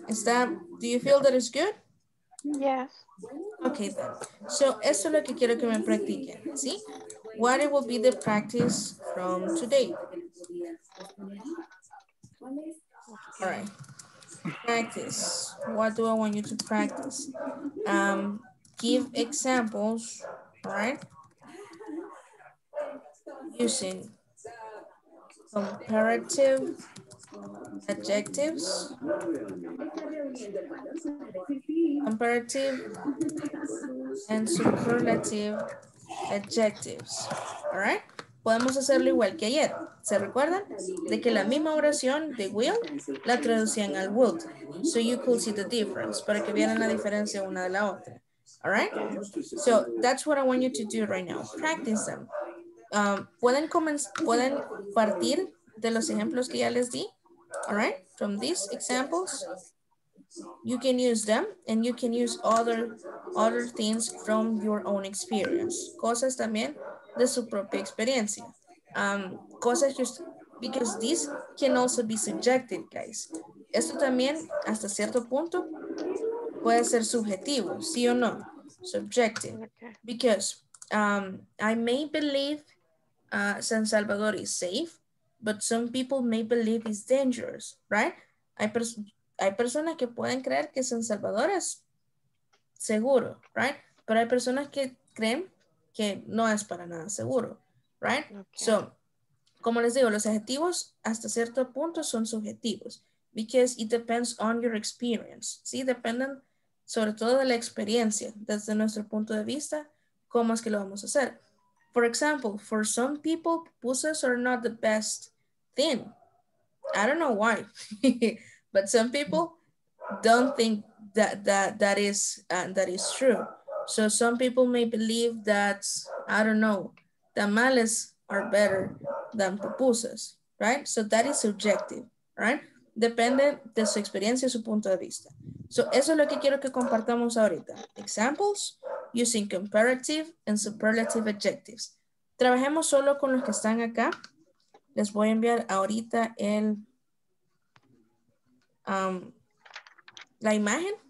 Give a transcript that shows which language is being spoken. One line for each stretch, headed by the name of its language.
English: Is that, do you feel that it's good? Yes. Okay, then.
Spanish: So, eso es lo que quiero que me practiquen, ¿sí?
English: What it will be the practice from today? All right. Practice. What do I want you to practice? Give examples, right? using comparative adjectives. Comparative and superlative adjectives. All right?
Spanish: Podemos hacerlo igual que ayer. ¿Se recuerdan? De que la misma oración de will la traducían al would.
English: So you could see the difference.
Spanish: Para que vieran la diferencia una de la otra.
English: All right? So that's what I want you to do right now. Practice them.
Spanish: Pueden partir de los ejemplos que ya les di.
English: All right? From these examples, you can use them and you can use other things from your own experience.
Spanish: Cosas también de su propia experiencia. Cosas
English: just because this can also be subjective, guys.
Spanish: Esto también hasta cierto punto puede ser subjetivo, sí o no.
English: Subjective. Because I may believe San Salvador is safe, but some people may believe it's dangerous, right?
Spanish: Hay personas que pueden creer que San Salvador es seguro, right? Pero hay personas que creen que no es para nada seguro, right? Okay. So, como les digo, los adjetivos hasta cierto punto son subjetivos,
English: because it depends on your experience,
Spanish: ¿sí? Dependen sobre todo de la experiencia, desde nuestro punto de vista, cómo es que lo vamos a hacer.
English: For example, for some people, buses are not the best thing. I don't know why, but some people don't think that is true. So some people may believe that, I don't know, tamales are better than pupusas, right? So that is subjective, right?
Spanish: Depende de su experiencia y su punto de vista. So eso es lo que quiero que compartamos ahorita.
English: Examples using comparative and superlative adjectives.
Spanish: Trabajemos solo con los que están acá. Les voy a enviar ahorita el la imagen.